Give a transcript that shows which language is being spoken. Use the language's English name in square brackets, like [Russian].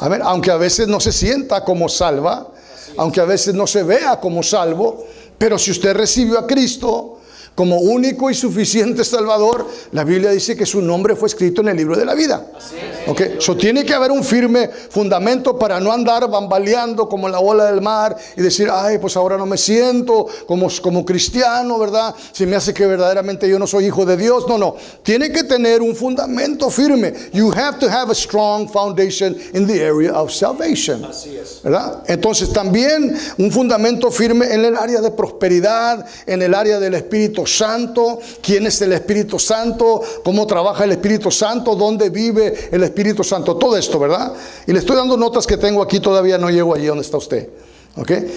[Spanish] A ver, aunque a veces no se sienta como salva, aunque a veces no se vea como salvo, pero si usted recibió a Cristo como único y suficiente Salvador, la Biblia dice que su nombre fue escrito en el libro de la vida. Así es. Ok, so, tiene que haber un firme fundamento para no andar bambaleando como la ola del mar y decir, ay, pues ahora no me siento como cristiano, ¿verdad? Si me hace que verdaderamente yo no soy hijo de Dios. No, tiene que tener un fundamento firme. [English] You have to have a strong foundation in the area of salvation. [Spanish] Así es. ¿Verdad? Entonces, también un fundamento firme en el área de prosperidad, en el área del Espíritu Santo, quién es el Espíritu Santo, cómo trabaja el Espíritu Santo, dónde vive el Espíritu Santo, todo esto, ¿verdad? Y le estoy dando notas que tengo aquí, todavía no llego allí donde está usted, ¿ok?